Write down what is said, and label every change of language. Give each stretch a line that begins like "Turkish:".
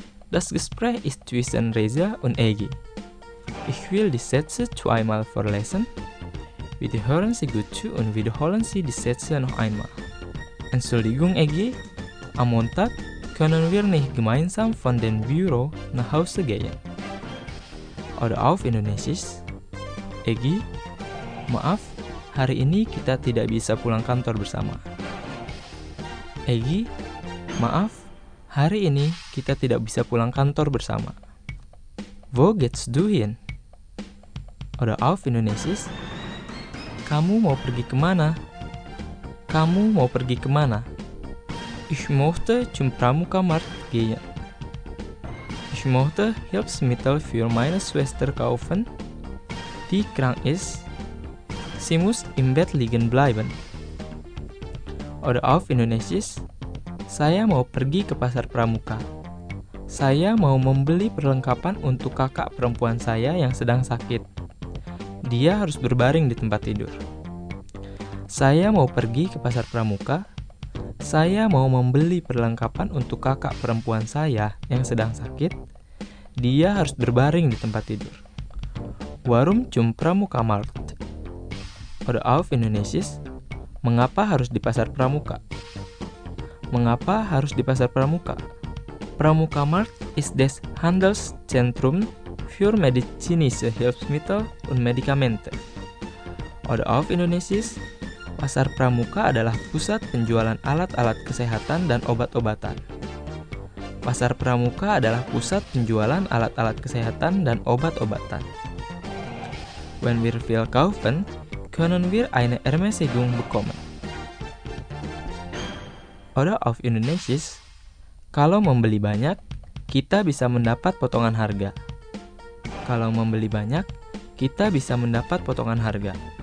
German: Das Gespräch ist zwischen Reza und Egi. Ich will die Sätze zweimal vorlesen. Bitte hören Sie gut zu und wiederholen Sie die Sätze noch einmal. Entschuldigung, Egi, am Montag können wir nicht gemeinsam von dem Büro nach Hause gehen. Oder auf Indonesisch.
Indonesian: Egi, maaf, hari ini kita tidak bisa pulang kantor bersama. Egi, maaf, hari ini kita tidak bisa pulang kantor bersama.
German: Wo geht's du hin? Oder auf Indonesisch.
Indonesian: Kamu mau pergi kemana? Kamu mau pergi kemana?
German: Ich möchte zum Pramukamarkt gehen. Ich möchte Hilfsmittel für meine Schwester kaufen. Die krank ist. Sie muss im Bett liegen bleiben. Oder auf Indonesisch.
Indonesian: Saya mau pergi ke pasar pramuka. Saya mau membeli perlengkapan untuk kakak perempuan saya yang sedang sakit. Dia harus berbaring di tempat tidur. Saya mau pergi ke pasar pramuka. Saya mau membeli perlengkapan untuk kakak perempuan saya yang sedang sakit. Dia harus berbaring di tempat tidur.
German: Warum zum Pramukamarkt? Oder auf Indonesisch.
Indonesian: Mengapa harus di pasar pramuka? Mengapa harus di pasar pramuka?
German: Pramukamarkt ist das Handelszentrum für medizinische Hilfsmittel und Medikamente. Oder auf Indonesisch.
Indonesian: Pasar pramuka adalah pusat penjualan alat-alat kesehatan dan obat-obatan. Pasar pramuka adalah pusat penjualan alat-alat kesehatan dan obat-obatan.
German: Wenn wir viel kaufen, können wir eine Ermäßigung bekommen.
English: Order of Indonesia.
Indonesian: Kalau membeli banyak, kita bisa mendapat potongan harga. Kalau membeli banyak, kita bisa mendapat potongan harga.